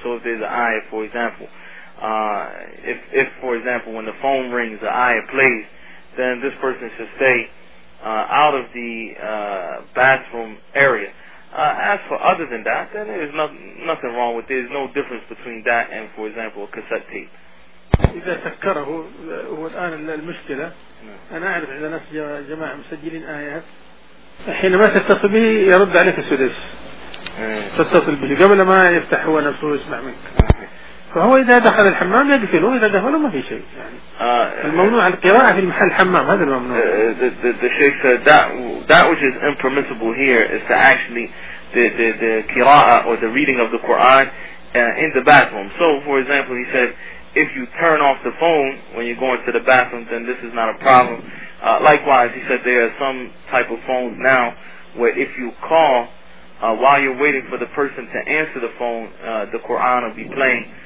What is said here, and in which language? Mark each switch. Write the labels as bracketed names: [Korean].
[English] So if there's an ayah, for example, if for example when the phone rings the ayah plays, then this person should stay out of the bathroom area. As for other than that, then there's nothing wrong with it. There's no difference between that and, for example, a cassette tape. [Arabic] إذا سكره هو الآن المشكلة. أنا أعرف على ناس جماعة مسجلين آيات، حينما تتصل به يرد عليك السدس، تتصل به قبل ما يفتح هو نفسه يسمع منك، فهو إذا دخل الحمام يدخله، إذا دخله ما في شيء. يعني الممنوع القراءة في محل الحمام، هذا الممنوع. [English] The Sheikh said that which is impermissible here is to actually the قراءة or the reading of the Quran in the bathroom. So for example, he said if you turn off the phone when you're going to the bathroom, then this is not a problem. Likewise, he said there are some type of phones now where if you call while you're waiting for the person to answer the phone, the Quran will be playing.